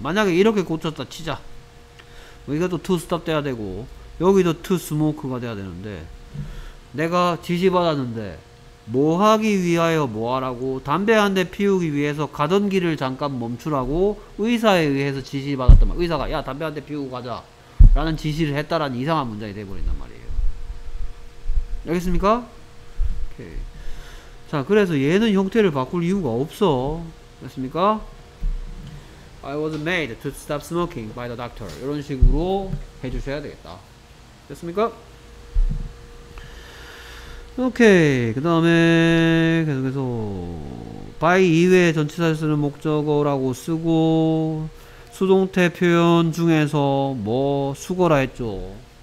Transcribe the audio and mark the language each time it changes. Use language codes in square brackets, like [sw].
[ko] 만약에 이렇게 고쳤다 치자. 이것도 to stop 돼야 되고 여기도 to smoke가 돼야 되는데 내가 지시받았는데 뭐 하기 위하여 뭐 하라고 담배 한 대 피우기 위해서 가던 길을 잠깐 멈추라고 의사에 의해서 지시받았단 말이야. 의사가 야 담배 한 대 피우고 가자 라는 지시를 했다라는 이상한 문장이 돼버린단 말이에요. 알겠습니까? 오케이. 자 그래서 얘는 형태를 바꿀 이유가 없어. 알겠습니까? [en] I was made to stop smoking by the doctor. [ko] 이런 식으로 해주셔야 되겠다. 됐습니까? 오케이. 그 다음에 계속해서 by 이외의 전치사를 쓰는 목적어라고 쓰고 수동태 표현 중에서 뭐 수거라 했죠.